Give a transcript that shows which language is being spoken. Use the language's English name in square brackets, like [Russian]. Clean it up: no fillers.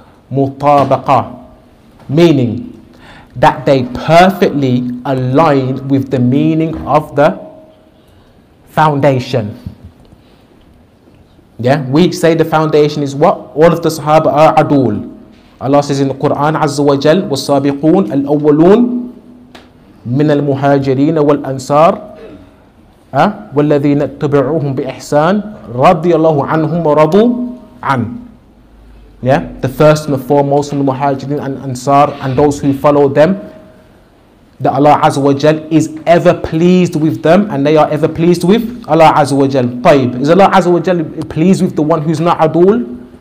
[English] mutabaqa, meaning that they perfectly align with the meaning of the foundation. Yeah, we say the foundation is what? All of the Sahaba are adul. Allah says in the Quran, [Arabic] Azza wa Jal, والسابقون الأولون من المهاجرين والأنصار والذين اتبعوهم بإحسان رضي الله عنهم ورضوا عن. [English] Yeah, the first and the foremost from the Muhajirin and Ansar and those who follow them, that Allah Azza wa Jal is ever pleased with them and they are ever pleased with Allah Azza wa Jal. Taib. Is Allah Azza wa Jal pleased with the one who's not adul?